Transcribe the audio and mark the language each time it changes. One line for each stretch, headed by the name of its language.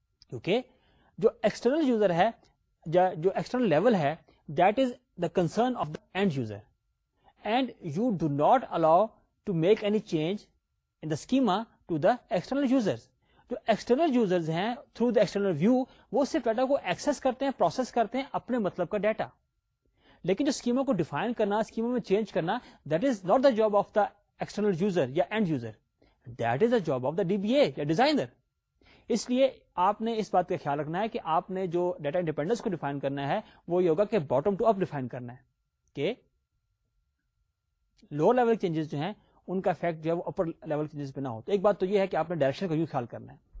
Urdu: کیونکہ جو external user ہے, جو ایکسٹرنل لیول ہے,
English: That is the concern of the end user. And you do not allow to make any change in the schema to the external user.
Urdu: جو external users ہیں
English: through the external view,
Urdu: وہ صرف data کو Axis کرتے ہیں, process کرتے ہیں اپنے مطلب کا ڈیٹا. لیکن جو اسکیما کو ڈیفائن کرنا, اسکیما میں چینج کرنا,
English: That is not the job of the external user یا end user, that is the job of the D B A یا designer.
Urdu: اس لیے آپ نے اس بات کا خیال رکھنا ہے کہ آپ نے جو ڈیٹا انڈیپینڈنس کو ڈیفائن کرنا ہے وہ یہ ہوگا کہ باٹم ٹو اپ ڈیفائن کرنا ہے, کہ لوور لیول چینجز جو ہیں ان کا افیکٹ جو ہے وہ اپر لیول چینجز پہ نہ ہو. تو ایک بات تو یہ ہے کہ آپ نے ڈائریکشن کا یوں خیال کرنا ہے.